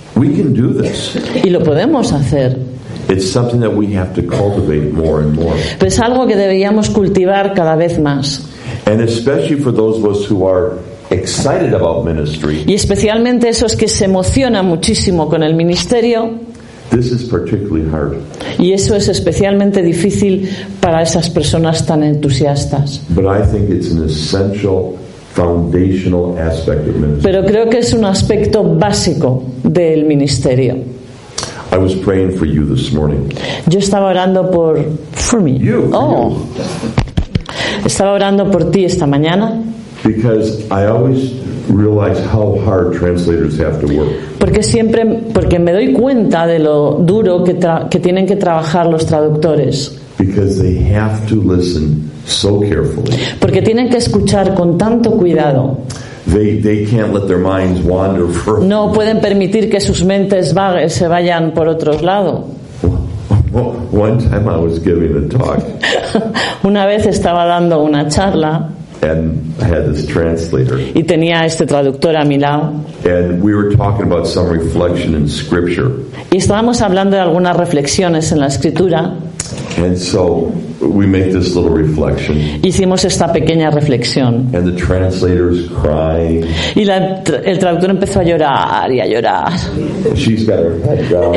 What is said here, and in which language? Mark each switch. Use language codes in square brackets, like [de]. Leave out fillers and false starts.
[en] We can do this. [es] Y lo podemos hacer. [en] It's something that we have to cultivate more and more. [es] Pero es algo que deberíamos cultivar cada vez más. [en] And especially for those of us who are excited about ministry. [es] Y especialmente esos que se emocionan muchísimo con el ministerio. [en] This is particularly hard. [es] Y eso es especialmente difícil para esas personas tan entusiastas. [en] But I think it's an essential foundational aspect of ministry. [es] Pero creo que es un aspecto básico del ministerio. [en] I was praying for you this morning. [es] Yo estaba orando por [en] me. You. Oh. You. [es] Estaba orando por ti esta mañana. [en] Because I always realize how hard translators have to work. [es] Porque me doy cuenta de lo duro que tienen que trabajar los traductores. [en] Because they have to listen so carefully. [es] Porque tienen que escuchar con tanto cuidado. [en] They can't let their minds wander for. [es] No pueden permitir que sus mentes se vayan por otros lados. [en] One time I was giving a talk. [es] Una vez estaba dando una charla. [en] And I had this translator. [es] Y tenía este traductor a mi lado. [en] And we were talking about some reflection in scripture. [es] Y estábamos hablando de algunas reflexiones en la escritura. [en] And so we make this little reflection. [es] Hicimos esta pequeña reflexión. [en] And the translator's crying. [es] Y el traductor empezó a llorar y a llorar. [en] She's got her head down.